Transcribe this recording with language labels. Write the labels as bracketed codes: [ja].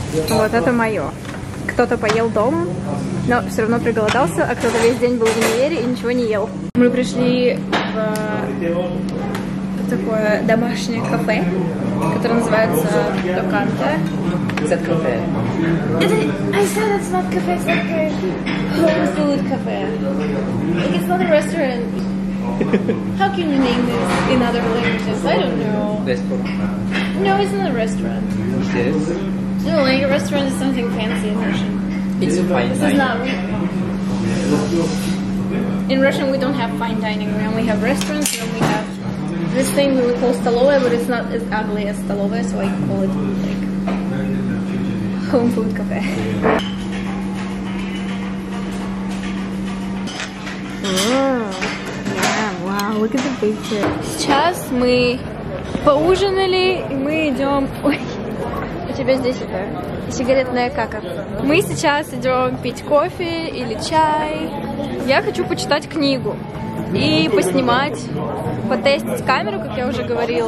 [ru] Вот это мое. Кто-то поел дома, но все равно приголодался, а кто-то весь день был в универе и ничего не ел. Мы пришли в такое домашнее кафе, которое называется Доканте. Это кафе. Это... [en] I said it's not cafe, it's not cafe. Home food cafe. Like, it's not a restaurant. How can you name this in other languages? I don't know. Restaurant. No, it's not a restaurant. Yes. No, like a restaurant is something fancy in Russian. It's fine this dining. This is not... In Russian we don't have fine dining, we only have restaurants, and we have this thing that we call столовая, but it's not as ugly as столовая, so I call it like... home food cafe. Wow, yeah, wow, look at the picture. [ru] Сейчас мы поужинали, и мы идем... Тебе здесь сигаретная кака. Мы сейчас идем пить кофе или чай. Я хочу почитать книгу и поснимать, потестить камеру, как я уже говорила.